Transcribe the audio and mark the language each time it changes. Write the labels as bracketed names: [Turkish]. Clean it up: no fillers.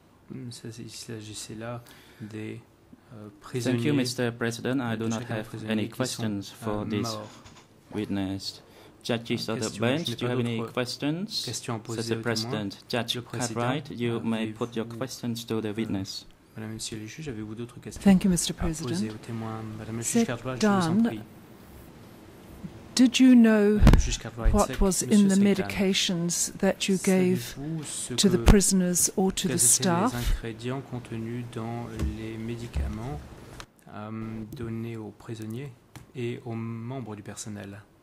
[English] Thank you, Mr. President. I do not have any questions for this witness. Judges of the bench, do you have any questions? Mr. President, Judge Cartwright, you may put your questions to the witness. [French] Madame, Monsieur le Juge, avez-vous d'autres questions? [English] Thank you, Mr. President. [French] À poser au témoin. Madame le Juge Cartwright, je vous en prie. [English] Did you know what was in the medications that you gave to the prisoners or to the staff? [French] Les ingrédients contenus dans les médicaments donnés aux prisonniers et aux membres du personnel.